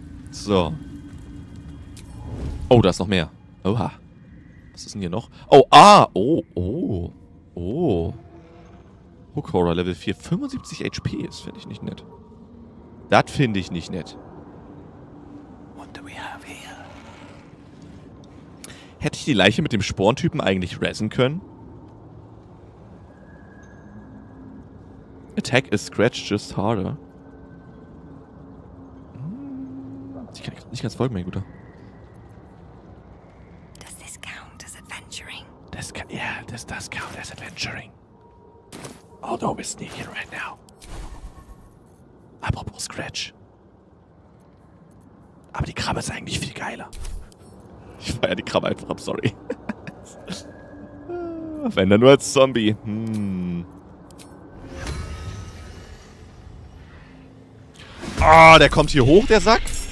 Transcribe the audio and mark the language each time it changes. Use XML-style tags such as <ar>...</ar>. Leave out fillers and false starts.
<de>So. Oh, da ist noch mehr. Oha. Was ist denn hier noch? Oh, ah. Oh, oh. Oh. Hook Horror Level 4. 75 HP. Das finde ich nicht nett. Das finde ich nicht nett. Hätte ich die Leiche mit dem Sporntypen eigentlich resen können?</de> <en>Attack is scratched just harder.</en> <de>Ich kann nicht ganz folgen, mein Guter.</de> <en>Does this count as adventuring? This does count as adventuring. Although we're sneaking right now.</en> <de>Apropos Scratch. Aber die Krabbe ist eigentlich viel geiler. Ich feier die Krabbe einfach ab, sorry. Wenn dann nur als Zombie. Ah, der kommt hier hoch, der Sack.</de>